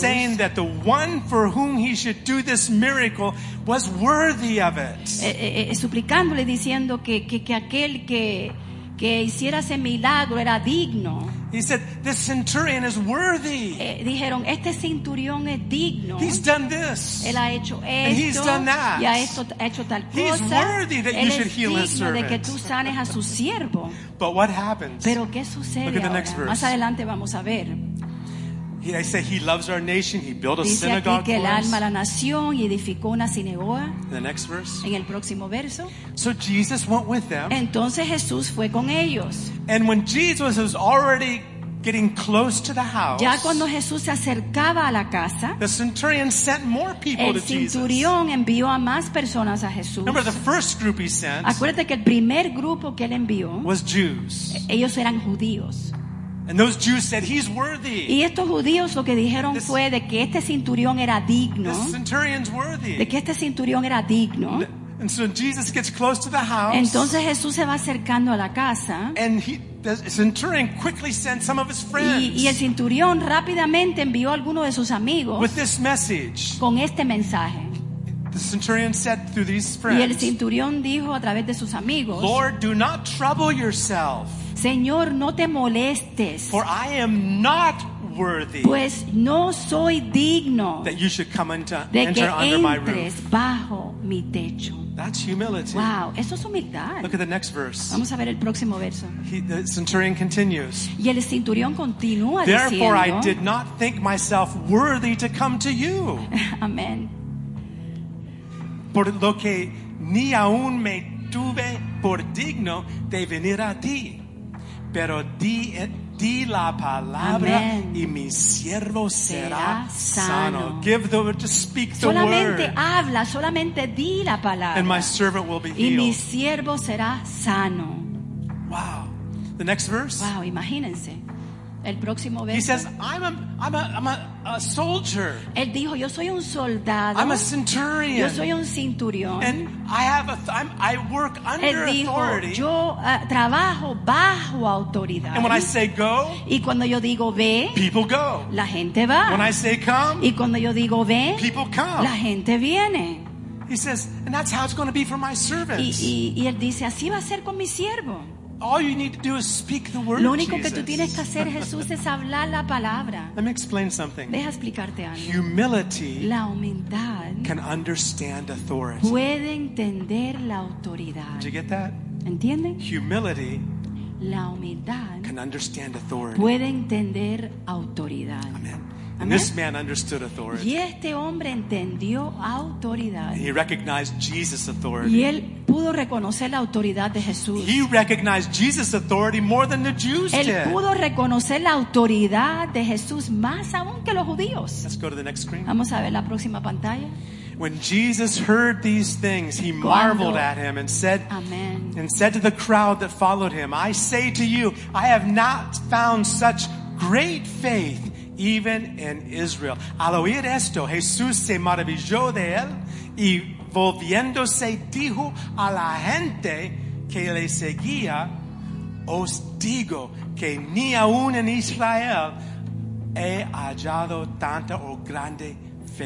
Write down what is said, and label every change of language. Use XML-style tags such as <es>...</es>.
<en>saying that the one for whom he should do this miracle was worthy of it.</en> <es>Suplicándole, diciendo que aquel que hiciera ese milagro era digno.</es> <en>He said, "This centurion is worthy."</en> <es>Dijeron, este centurión es digno.</es> <en>He's done this.</en> <es>Él ha hecho esto.</es> <en>And he's done that.</en> <es>Y ha hecho tal cosa.</es> <en>He's worthy that you should heal his servant.</en> <es>De que tú sanes a su siervo.</es> <en>But what happens?</en> <es>Pero ¿qué sucede?</es> <en>Look at the next verse.</en> <es>Más adelante vamos a ver.</es> <en>I say he loves our nation. He built a</en> <es>dice</es> <en>synagogue</en> <es>aquí que</es> <en>for</en> <es>el alma la nación y edificó una sinagoga.</es> <en>The next verse.</en> <es>En el próximo verso.</es> <en>So Jesus went with them.</en> <es>Entonces Jesús fue con ellos.</es> <en>And when Jesus was already getting close to the house,</en> <es>ya cuando Jesús se acercaba a la casa,</es> <en>the centurion sent more people to Jesus.</en> <es>El centurión envió a más personas a Jesús.</es> <en>Remember the first group he sent.</en> <es>Acuérdate que el primer grupo que él envió</es> <en>was Jews.</en> <es>Ellos eran judíos.</es> <en>And those Jews said he's worthy.</en> <es>Y estos judíos lo que dijeron this, fue de que este centurión era digno.</es> <en>This centurion's worthy.</en> <es>De que este centurión era digno.</es> <en>And so Jesus gets close to the house.</en> <es>Entonces Jesús se va acercando a la casa.</es> <en>And the centurion quickly sent some of his friends.</en> <es>Y el centurión rápidamente envió a alguno de sus amigos.</es> <en>With this message.</en> <es>Con este mensaje.</es> <en>The centurion said through these friends.</en> <es>Y el centurión dijo a través de sus amigos.</es> <en>Lord, do not trouble yourself.</en> <es>Señor, no te molestes.</es> <en>For I am not worthy.</en> <es>Pues no soy digno.</es> <en>That you should come into,</en> <es>de que</es> <en>enter under my roof.</en> <es>Bajo mi techo.</es> <en>That's humility.</en> <es>Wow, eso es humildad.</es> <en>Look at the next verse.</en> <es>Vamos a ver el próximo verso.</es> <en>The centurion continues.</en> <es>Y el centurión continúa diciendo.</es> <en>Therefore I did not think myself worthy to come to you.</en> <es>Amén. Por lo que ni aún me tuve por digno de venir a ti. Pero di la palabra. Amen. Y mi siervo será sano.</es> <en>Give the word, just speak the</en> <es>solamente</es> <en>word.</en> <es>Habla, solamente di la palabra.</es> <en>And my servant will be</en> <es>y</es> <en>healed.</en> <es>Y mi siervo será sano.</es> <en>Wow. The next verse.</en> <es>Wow, imagínense. El próximo verso.</es> <en>He says, I'm a soldier.</en> <es>Él dijo, yo soy un soldado.</es> <en>I'm a centurion.</en> <es>Yo soy un centurión.</es> <en>And I work under</en> <es>dijo,</es> <en>authority.</en> <es>Yo trabajo bajo autoridad.</es> <en>And when I say go,</en> <es>y cuando yo digo ve,</es> <en>people go.</en> <es>La gente va.</es> <en>When I say come,</en> <es>y cuando yo digo ven,</es> <en>people come.</en> <es>La gente viene.</es> <en>He says, and that's how it's going to be for my servants.</en> <es>Y él dice, así va a ser con mi siervo.</es> <en>All you need to do is speak the word.</en> <es>Lo único Jesus. Que tú tienes que hacer, Jesús, es hablar la palabra.</es> <en>Let me explain something.</en> <es>Deja explicarte algo.</es> <en>Humility.</en> <es>La humildad.</es> <en>Can understand authority.</en> <es>Puede entender la autoridad.</es> <en>Did you get that?</en> <es>¿Entienden?</es> <en>Humility.</en> <es>La humildad.</es> <en>Can understand authority.</en> <es>Puede entender autoridad.</es> <en>Amen. And this man understood authority.</en> <es>Y este hombre entendió autoridad.</es> <en>And he recognized Jesus' authority.</en> <es>Y él pudo reconocer la autoridad de Jesús.</es> <en>He recognized Jesus' authority more than the Jews</en> <es>él</es> <en>did.</en> <es>Él pudo reconocer la autoridad de Jesús más aún que los judíos.</es> <en>Let's go to the next screen.</en> <es>Vamos a ver la próxima pantalla.</es> <en>When Jesus heard these things, he marveled at him and said, Amen. And said to the crowd that followed him, I say to you, I have not found such great faith even in Israel.</en> <es>Al oír esto, Jesús se maravilló de él y volviéndose dijo a la gente que le seguía, os digo que ni aún en Israel he hallado tanta o grande fe.</es>